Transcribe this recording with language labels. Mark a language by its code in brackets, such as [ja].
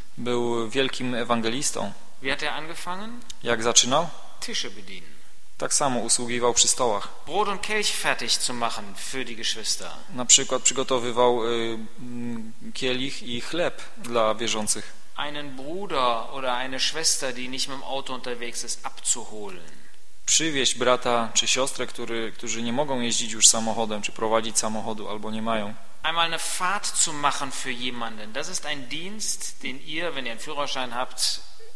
[pl] Był wielkim ewangelistą. [de] Wie hat er angefangen? [pl] Jak zaczynał? [de] Tische bedienen. [pl] Tak samo usługiwał przy stołach. [de] Brot und Kelch fertig zu machen für die Geschwister. [pl] Na przykład przygotowywał kielich i chleb dla wierzących. [de] Einen Bruder oder eine Schwester, die nicht mit dem Auto unterwegs ist, abzuholen. [pl] Przywieźć brata czy siostrę, którzy nie mogą jeździć już samochodem, czy prowadzić samochodu, albo nie mają. [de] Einmal eine Fahrt zu machen für jemanden. Das ist ein Dienst, den ihr, wenn ihr einen Führerschein habt,